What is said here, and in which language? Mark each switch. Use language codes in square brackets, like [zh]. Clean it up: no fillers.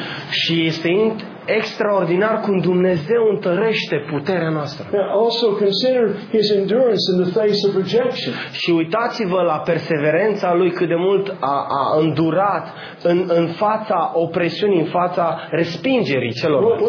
[ro] Și este extraordinar cum Dumnezeu întărește puterea noastră. [en] Also consider his endurance in the face of rejection. [ro] Și uitați-vă la perseverența lui cât de mult a îndurat în fața opresiunii, în fața respingerii celor.